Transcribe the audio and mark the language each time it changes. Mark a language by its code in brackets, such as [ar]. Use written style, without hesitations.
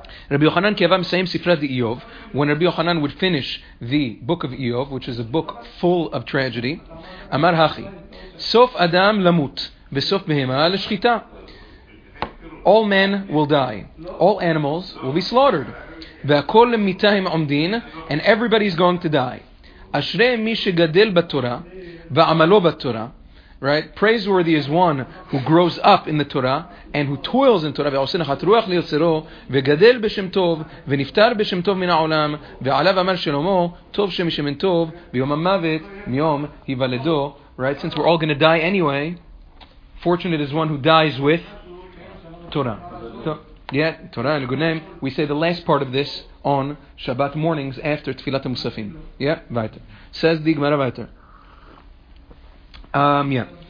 [en] Rabbi Yochanan ki avam sayim sifra di Iyov. When Rabbi Yochanan would finish the book of Iyov, which is a book full of tragedy, Amar Hachi. Sof Adam Lamut, Vesof Behema Leshchita. all men will die. All animals will be slaughtered. [he] והכל למיתהם עומדין, and everybody's going to die. אשרי מי שגדל בתורה, ועמלו בתורה, right? [en] Praiseworthy is one who grows up in the Torah and who toils in Torah. [he] ועושה נחת רוח ליוצרו, וגדל בשם טוב, ונפטר בשם טוב מן העולם, ועליו אמר שלמה, טוב שם משמן טוב, ביום המוות, מיום היוולדו. [en] Right? Since we're all going to die anyway, fortunate is one who dies with Torah. Yeah, Torah and a good name. We say the last part of this on Shabbat mornings after Tefillat Musafim. Yeah, Vayter. Says the Gemara Vayter. Yeah.